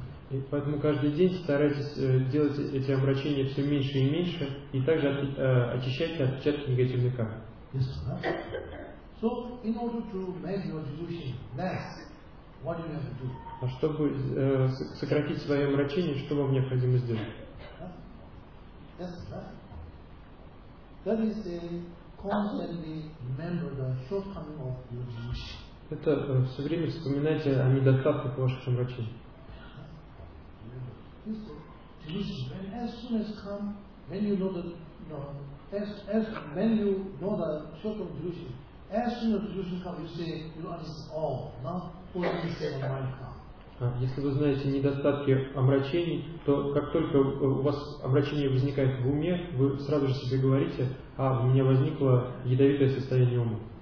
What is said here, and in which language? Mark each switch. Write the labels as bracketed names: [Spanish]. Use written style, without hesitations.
[Russian] И поэтому каждый день старайтесь делать эти омрачения все меньше и меньше, и также очищайте отпечатки негативной кармы. [English] So, in order to make your delusion less, what do you have to do? [Russian] А чтобы сократить свое омрачение, что вам необходимо сделать? [English] Yes, that is a constantly remember the shortcoming of your delusion. [Russian] Это все время вспоминайте о недостатках ваших омрачений. [English] Delusion. As soon as come, when you know that, you know, as when you know the shortcoming delusion, as soon as delusion comes, you say, you understand all, now only state of mind comes. [Russian] Если вы знаете недостатки омрачений, то как только у вас омрачение возникает в уме, вы сразу же себе говорите, а у меня возникло ядовитое состояние ума.